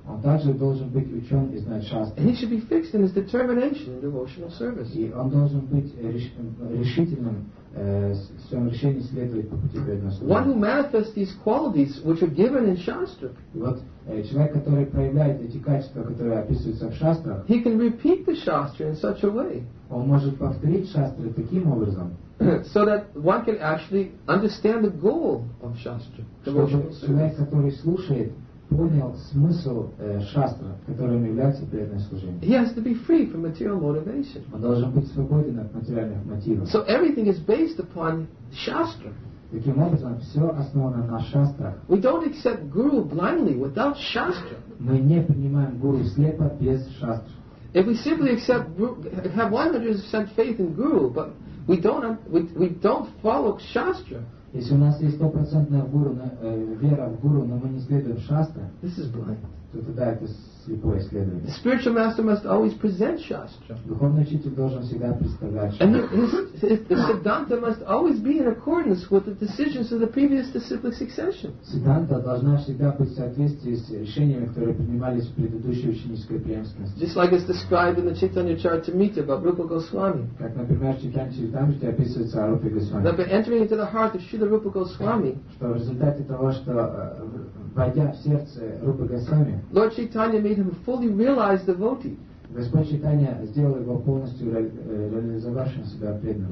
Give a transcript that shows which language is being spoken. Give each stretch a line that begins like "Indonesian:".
Russian: Он также должен быть учен и знать шастру.
English: And he should be fixed in his determination in devotional service.
Russian: И он должен быть решительным в своем решении следовать по пути преданного служения.
English: One who manifests these qualities which are given in shastra.
Russian: Вот человек, который проявляет эти качества, которые описываются в шастрах.
English: He can repeat the shastra in such a way.
Russian: Он может повторить шастры таким образом.
English: So that one can actually understand the goal of shastra.
Russian: Человек, который слушает, понял смысл шастра, которым является преданное служение.
English: He has to be free from material motivation.
Russian: Он должен быть свободен от материальных мотивов.
English: So everything is based upon shastra.
Russian: Таким образом, все основано на шастрах.
English: We don't accept guru blindly without shastra.
Russian: Мы не принимаем гуру слепо без шастра.
English: If we simply accept have 100% faith in guru, but we don't follow shastra.
Russian: Если у нас есть 100% вера в гуру, но мы не следуем шастре,
English: this is blind.
Russian: То тогда это слепое следование.
English: The spiritual master must always present shastra.
Russian: Духовный учитель должен всегда представлять шастру.
English: And the siddhanta must always be in accordance with the decisions of the previous disciplic succession.
Russian: Siddhanta должна всегда быть в соответствии с решениями, которые принимались в предыдущей ученической преемственности.
English: Just like it's described in the Chaitanya Charitamrita by Rupa Goswami.
Russian: Как, например, в Chaitanya Charitamrita описывается о Рупе Госвами.
English: That by entering into the heart of Srila Rupa Goswami,
Russian: что в результате того, что войдя в сердце Рупы Госвами,
English: Lord Chaitanya made him a fully realized devotee.
Russian: Господь Чайтанья сделал его полностью реализовавшим себя преданным.